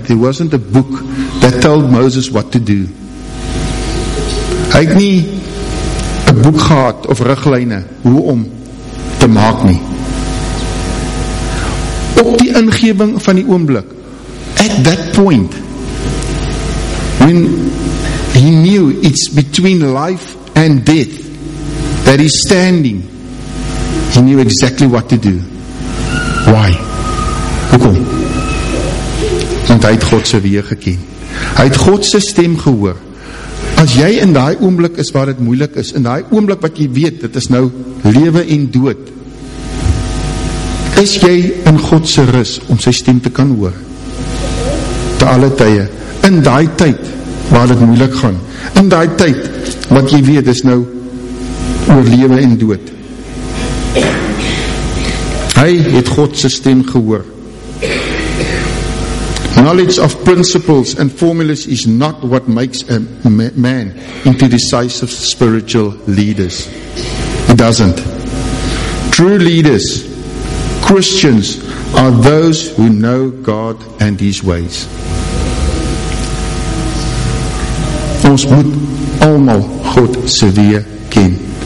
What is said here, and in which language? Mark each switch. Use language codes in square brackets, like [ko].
[en] There wasn't a book that told Moses what to do. [af] Hy het nie 'n boek gehad of riglyne hoe om te maak nie. Op die ingewing van die oomblik, [en] at that point, when he knew it's between life and death, that he's standing, he knew exactly what to do. Why? [af] Hoekom? Want hy het God se weë geken. Hy het God se stem gehoor. As jy in daai oomblik is waar dit moeilik is, in daai oomblik wat jy weet, dit is nou lewe en dood, is jy in God se rus om sy stem te kan hoor? Te alle tye, in daai tyd waar dit moeilik gaan, in daai tyd wat jy weet is nou oor lewe en dood. Hy het God se stem gehoor. [en] Knowledge of principles and formulas is not what makes a man into decisive spiritual leaders. It doesn't. True leaders, Christians, are those who know God and his ways. [af] Ons moet almal God se weë ken.